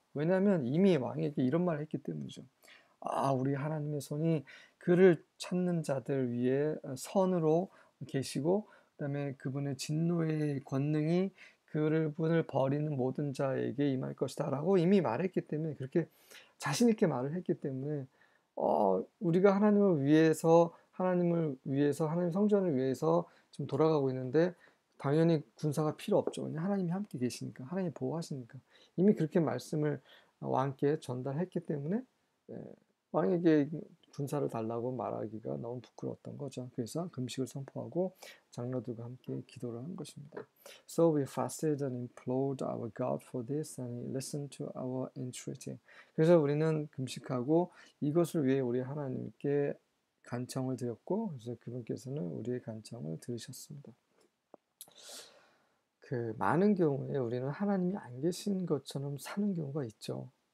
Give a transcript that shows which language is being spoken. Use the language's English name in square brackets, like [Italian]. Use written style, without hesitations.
[Korean] 왜냐하면 이미 왕에게 이런 말을 했기 때문이죠. 아, 우리 하나님의 손이 그를 찾는 자들 위에 선으로 계시고 그다음에 그분의 진노의 권능이 그분을 버리는 모든 자에게 임할 것이다라고 이미 말했기 때문에 그렇게 자신 있게 말을 했기 때문에 우리가 하나님 성전을 위해서 지금 돌아가고 있는데 당연히 군사가 필요 없죠. 하나님이 함께 계시니까 하나님이 보호하시니까 이미 그렇게 말씀을 왕께 전달했기 때문에 왕에게 군사를 달라고 말하기가 너무 부끄러웠던 거죠. 그래서 금식을 선포하고 장로들과 함께 기도를 한 것입니다. [English] So we fasted and implored our God for this and he listened to our entreaty. [Korean] 그래서 우리는 금식하고 이것을 위해 우리 하나님께 간청을 드렸고 그래서 그분께서는 우리의 간청을 들으셨습니다. 그 많은 경우에 우리는 하나님이 안 계신 것처럼 사는 경우가 있죠.